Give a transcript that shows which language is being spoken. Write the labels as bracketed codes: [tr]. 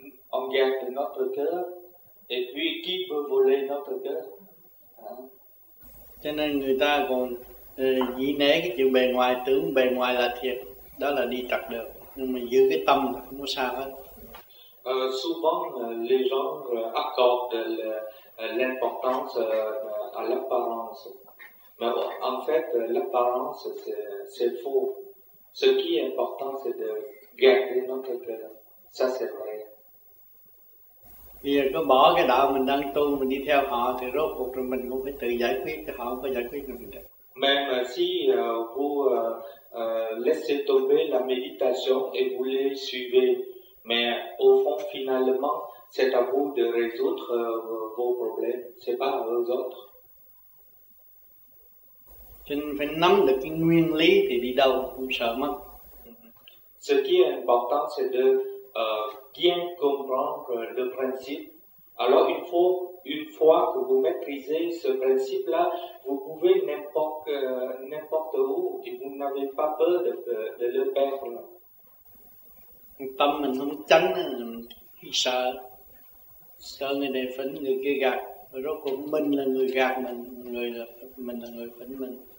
[fr] On garde notre cœur et puis qui peut voler notre cœur? [vi] Cho nên người ta còn dĩ né cái chuyện bề ngoài, tưởng bề ngoài là thiệt, đó là đi tật được. Nhưng mà giữ cái tâm là không có sao hết. [fr] Souvent, les gens accordent l'importance à l'apparence. Mais bon, en fait, l'apparence, c'est faux. Ce qui est important, c'est de garder notre cœur. Ça, c'est vrai. [vi] Bây giờ có bỏ cái đạo mình đang tu, mình đi theo họ, thì rốt cuộc rồi mình cũng phải tự giải quyết, cho họ không có giải quyết được mình được. [fr] Même si vous laissez tomber la méditation et vous les suivez, mais au fond, finalement, c'est à vous de résoudre vos problèmes, c'est pas à vous autres. [vi] Cho nên phải nắm được cái nguyên lý thì đi đâu cũng sợ mất. [fr] Ce qui est important, c'est de bien comprendre le principe. Alors une fois que vous maîtrisez ce principe-là, vous pouvez n'importe où et vous n'avez pas peur de le perdre. [vi] Tâm mình không chánh, mình sợ người này phấn, người kia gạt, rốt cuộc mình là người gạt mình, mình là người phỉnh mình.